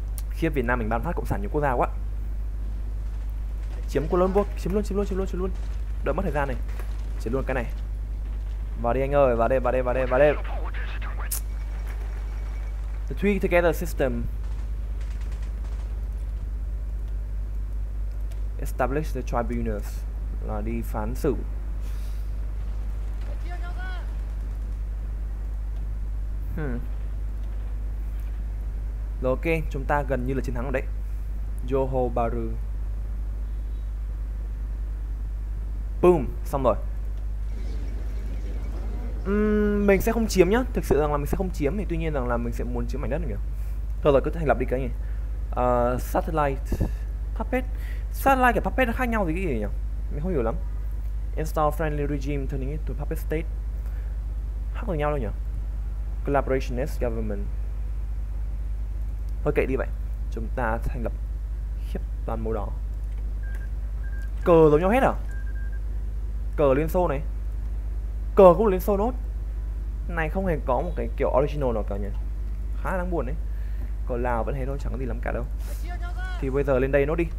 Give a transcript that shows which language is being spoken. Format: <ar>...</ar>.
<vi>Khiếp, Việt Nam mình ban phát cộng sản nhiều quốc gia quá. Chiếm Colombo, chiếm luôn, chiếm luôn, chiếm luôn, chiếm luôn, chiếm luôn. Đợi mất thời gian này. Chiếm luôn cái này. Vào đi anh ơi, vào đây, vào đây, vào đây, vào đây.</vi> <en>The three together system. Establish the tribunals.</en> <vi>Là đi phán xử. Rồi ok, chúng ta gần như là chiến thắng rồi đấy. Johor Bahru. Boom, xong rồi. Mình sẽ không chiếm nhá, thực sự rằng là mình sẽ không chiếm, thì tuy nhiên rằng là mình sẽ muốn chiếm mảnh đất này nhỉ. Thôi rồi, cứ thành lập đi cái nhỉ. Satellite Puppet. Satellite và Puppet nó khác nhau gì cái gì nhỉ? Mình không hiểu lắm.</vi> <en>Install friendly regime turning it to Puppet state.</en> <vi>Khác với nhau đâu nhỉ?</vi> <en>Collaborationist government.</en> <vi>Thôi kệ đi vậy. Chúng ta thành lập khiếp toàn màu đỏ. Cờ giống nhau hết à? Cờ Liên Xô này. Cờ cũng Liên Xô nốt. Này không hề có một cái kiểu original nào cả nhỉ. Khá đáng buồn đấy. Còn Lào vẫn thế thôi, chẳng có gì lắm cả đâu. Thì bây giờ lên đây nốt đi.</vi>